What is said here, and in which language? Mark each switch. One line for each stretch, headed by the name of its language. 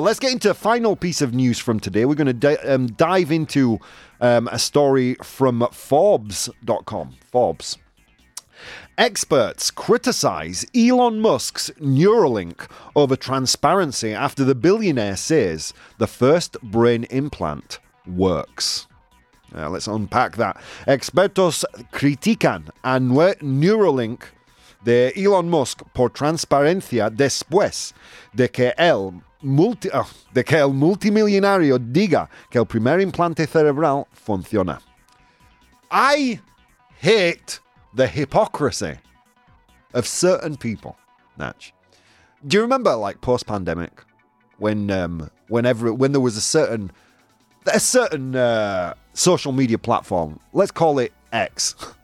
English: Let's get into the final piece of news from today. We're going to dive into a story from Forbes.com. Forbes. Experts criticize Elon Musk's Neuralink over transparency after the billionaire says the first brain implant works. Let's unpack that.
Spanish: Expertos critican a Neuralink de Elon Musk por transparencia después de que él... de que el multimillonario diga que el primer implante cerebral funciona.
English: I hate the hypocrisy of certain people, Natch. Do you remember, like, post-pandemic, when there was a certain social media platform, let's call it X.